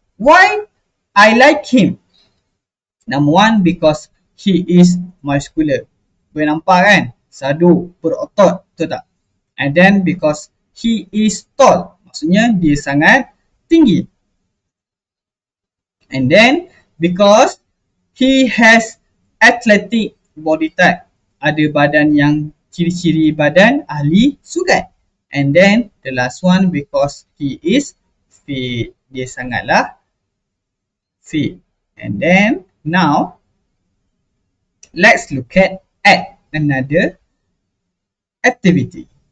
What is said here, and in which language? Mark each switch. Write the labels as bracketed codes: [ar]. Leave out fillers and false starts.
[en] Why I like him? Number one, because he is muscular. [ms] Boleh nampak kan? Sadu, berotot, betul tak? [en] And then because he is tall. [ms] Maksudnya dia sangat tinggi. [en] And then because he has athletic body type. [ms] Ada badan yang ciri-ciri badan ahli sukan. [en] And then the last one, because he is fit. [ms] Dia sangatlah fit. [en] And then now let's look at another activity.